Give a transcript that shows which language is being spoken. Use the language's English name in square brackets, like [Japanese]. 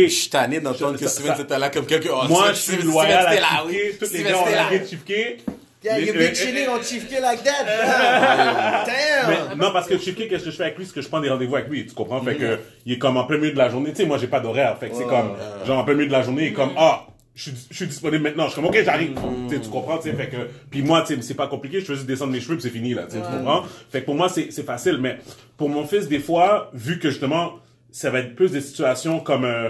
[French] Je suis tanné d'entendre que Steven était là comme quelqu'un. Oh, moi, je suis loyal à Chief K. Tous les gars ont l'air de Chief K. [English] Yeah, you're big chilling on Chief K like that. Damn. [French] Mais, non, parce que Chief K, qu'est-ce que je fais avec lui? C'est que je prends des rendez-vous avec lui, tu comprends? Fait que il est comme en plein milieu de la journée. Tu sais, moi, j'ai pas d'horaire. Fait que c'est comme, genre, en plein milieu de la journée, il est comme, je suis disponible maintenant. Je suis comme, OK, j'arrive. Tu comprends? Fait que, puis moi, c'est pas compliqué. Je fais juste descendre mes cheveux, puis c'est fini, là. Tu comprends? Fait que pour moi, c'est facile. Mais pour mon fils, des fois, vu que justement, ça va être plus des situations comme...